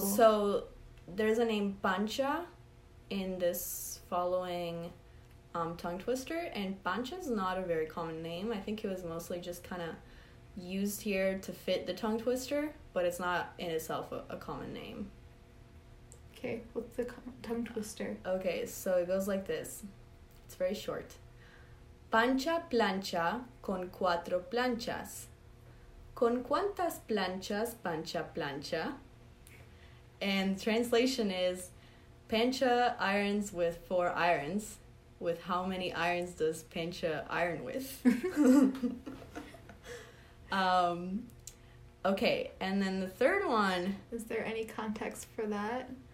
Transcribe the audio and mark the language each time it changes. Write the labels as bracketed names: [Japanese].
[English] so there's a name Pancha in this following tongue twister, and Pancha's not a very common name. I think it was mostly just kind of used here to fit the tongue twister, but it's not in itself a common name. Okay, what's the tongue twister? Okay, so it goes like this. It's very short. [Spanish] Pancha plancha con cuatro planchas. ¿Con cuántas planchas, Pancha plancha? [English] And translation is, Pancha irons with four irons. With how many irons does Pancha iron with? Okay, and then the third one, Is there any context for that?